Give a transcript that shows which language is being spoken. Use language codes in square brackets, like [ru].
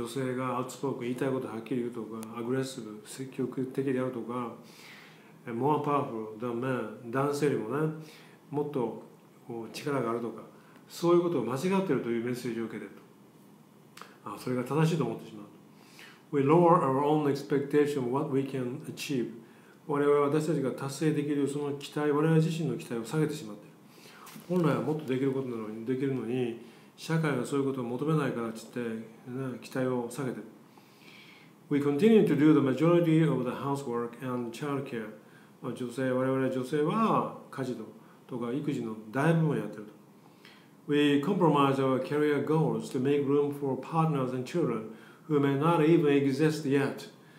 [ja] 女性が [en] outspoken、 [ja] 言いたいことをはっきり言うとか、 [en] aggressive、 [ja] 積極的であるとか、 [en] more powerful than men、 [ja] 男性よりもね、もっと力があるとか、そういうことを間違っているというメッセージを受けていると、あ、それが正しいと思ってしまう。 [en] We lower our own expectation of what we can achieve。 [ja] 私たちが達成できるその期待、我々自身の期待を下げてしまっている。本来はもっとできることなのに、できるのに社会はそういうことを求めないからって言って、ね、期待を下げて。 [en] We continue to do the majority of the housework and childcare。 [ja] まあ、女性、我々女性は家事とか育児の大部分をやってると。 [en] We compromise our career goals to make room for partners and children who may not even exist yet。